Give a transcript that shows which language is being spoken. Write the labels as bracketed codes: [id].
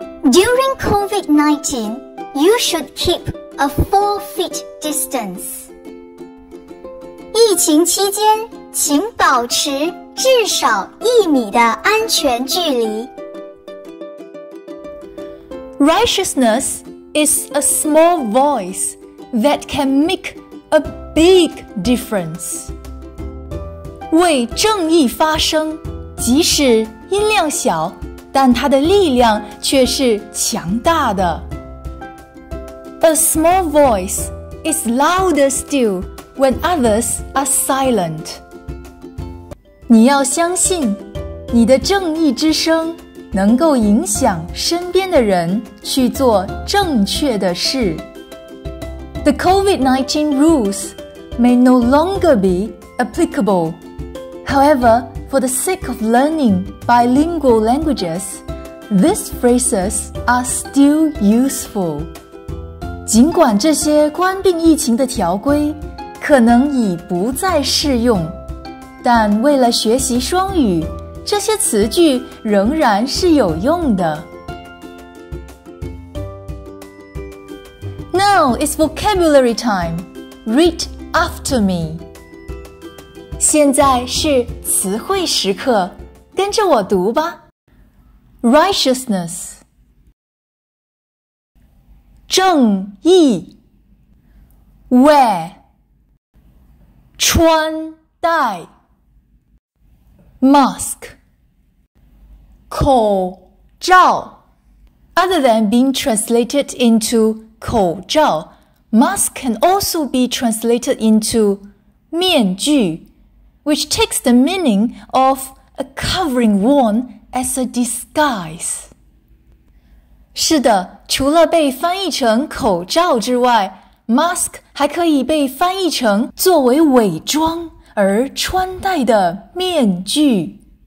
[en] During COVID-19, you should keep a 4-foot distance. [zh] 疫情期间，请保持至少一米的安全距离。 [en] Righteousness is a small voice that can make a big difference. [zh] 为正义发声，即使音量小，但它的力量却是强大的。 [en] A small voice is louder still when others are silent. [zh] 你要相信，你的正义之声能够影响身边的人去做正确的事。 [en] The COVID-19 rules may no longer be applicable. However, for the sake of learning bilingual languages, these phrases are still useful. [zh] 尽管这些冠病疫情的条规可能已不再适用，但为了学习双语，这些词句仍然是有用的。 [en] Now it's vocabulary time. Read after me. [zh] 现在是词汇时刻，跟着我读吧。 [en] Righteousness. [zh] 正义。Wear. 穿戴。Mask. 口罩。 [en] Other than being translated into 口罩, mask can also be translated into 面具, which takes the meaning of a covering worn as a disguise. [zh] 是的，除了被翻译成口罩之外, mask 还可以被翻译成作为伪装而穿戴的面具。